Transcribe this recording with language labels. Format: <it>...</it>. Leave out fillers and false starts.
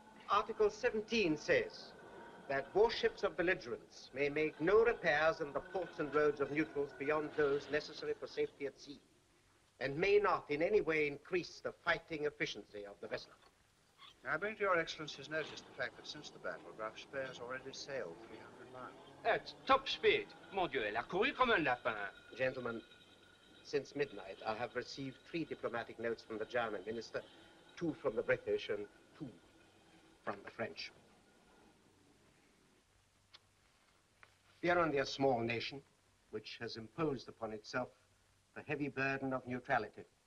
<en>Article 17 says that warships of belligerents may make no repairs in the ports and roads of neutrals beyond those necessary for safety at sea, and may not in any way increase the fighting efficiency of the vessel. I bring to Your Excellency's notice the fact that since the battle, Graf Spee has already sailed 300 miles. At top speed,</en> <fr>mon Dieu, elle a couru comme un lapin.</fr> <en>Gentlemen, since midnight, I have received 3 diplomatic notes from the German minister, 2 from the British, and 2 from the French. We are only a small nation, which has imposed upon itself the heavy burden of neutrality.</en>